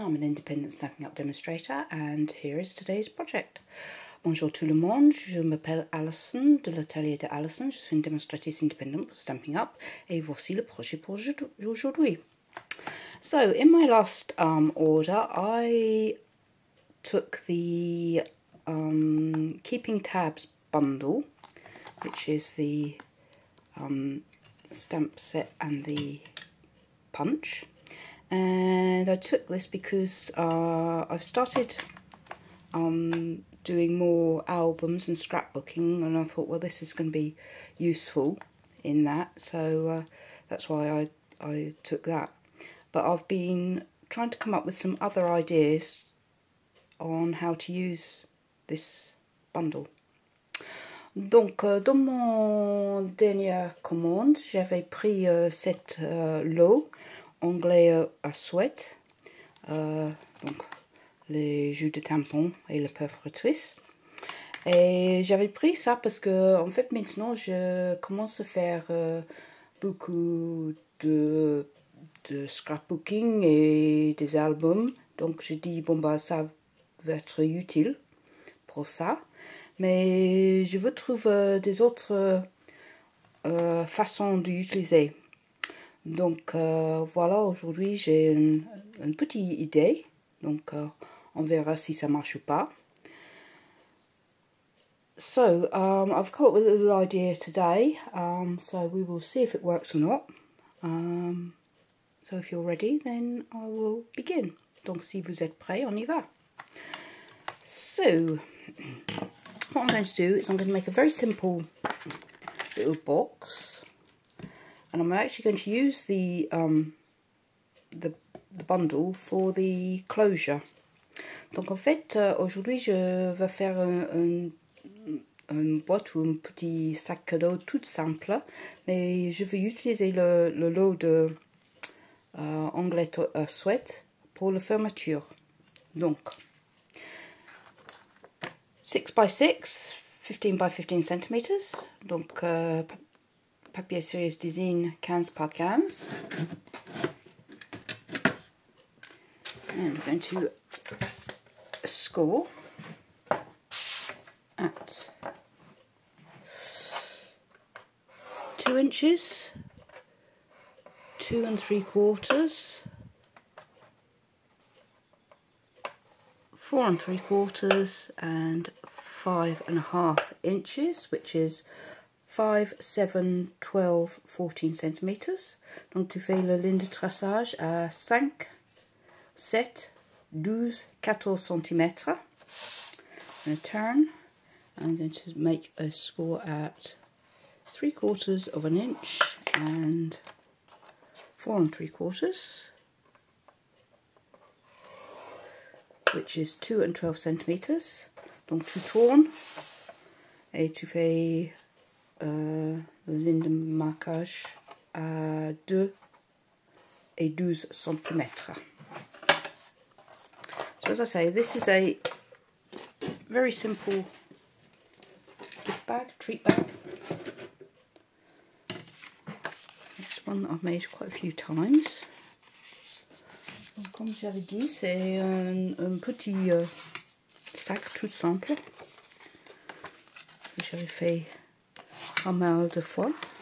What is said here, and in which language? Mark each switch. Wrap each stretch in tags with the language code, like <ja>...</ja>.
<en>I'm an independent stamping up demonstrator and here is today's project.</en> <fr>Bonjour tout le monde, je m'appelle Alison de L'Atelier de Alison. Je suis une démonstratrice indépendante pour stamping up et voici le projet pour aujourd'hui.</fr> <en>So, in my last order, I took the Keeping Tabs bundle, which is the stamp set and the punch, and I took this because I've started doing more albums and scrapbooking, and I thought, well, this is going to be useful in that, so that's why I took that. But I've been trying to come up with some other ideas on how to use this bundle.</en> <fr>Donc, dans mon dernière commande, j'avais pris cette lot anglais à Souhait, donc les jus de tampon et la perforatrice. Et j'avais pris ça parce que, en fait, maintenant, je commence à faire beaucoup de scrapbooking et des albums. Donc, j'ai dit, bon, bah, ça va être utile pour ça. Mais je veux trouver des autres façons d'utiliser. Donc voilà, aujourd'hui j'ai une petite idée. Donc on verra si ça marche ou pas.</fr> <en>So, I've come up with a little idea today. So we will see if it works or not. So if you're ready, then I will begin.</en> <fr>Donc si vous êtes prêts, on y va.</fr> <en>So, what I'm going to do is I'm going to make a very simple little box. And I'm actually going to use the bundle for the closure.</en> <fr>Donc en fait, aujourd'hui je vais faire une boîte ou un petit sac cadeau tout simple. Mais je vais utiliser le lot de Onglets Souhait pour la fermeture. Donc, 6x6, 15x15 centimeters. Donc, papier series design 15 par 15.</fr> <en>And I'm going to score at 2 inches, 2 3/4, 4 3/4, and 5.5 inches, which is 5, 7, 12, 14 centimetres.</en> <fr>Donc tu fais la ligne de traçage à 5, 7, 12, 14 centimètres.</fr> <en>And a turn. I'm going to make a score at 3/4 inch and 4 3/4, which is 2 and 12 centimètres.</en> <fr>Donc tu tournes et tu fais ligne de marquage à 2 et 12 centimètres.</fr> <en>So as I say, this is a very simple gift bag, treat bag. It's one that I've made quite a few times.</en> <fr>Comme j'avais dit, c'est un petit sac tout simple que j'avais fait pas mal de fois.</fr>